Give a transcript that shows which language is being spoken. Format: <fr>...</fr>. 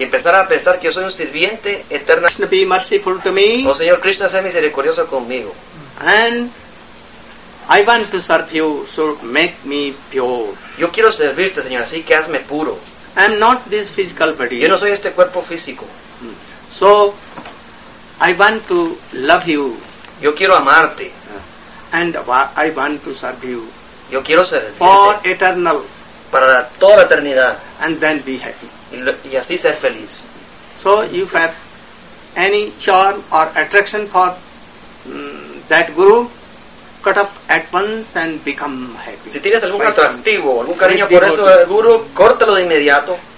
<es>Y empezar a pensar que yo soy un sirviente eterno.</es> <en>Krishna be merciful to me.</en> <es>Oh Señor Krishna, sé misericordioso conmigo.</es> <en>And I want to serve you, so make me pure.</en> <es>Yo quiero servirte, Señor, así que hazme puro.</es> <en>I am not this physical body.</en> <es>Yo no soy este cuerpo físico.</es> <en>So, I want to love you.</en> <es>Yo quiero amarte.</es> <en>And I want to serve you.</en> <es>Yo quiero servirte.</es> <en>For eternal.</en> <es>Para toda la eternidad.</es> <en>And then be happy.</en> <es>Y así ser feliz.</es> <en>So, you have any charm or attraction for that guru? Cut up at once and become happy.</en> <es>Si tienes algún atractivo, algún cariño por eso del guru, córtalo de inmediato.</es>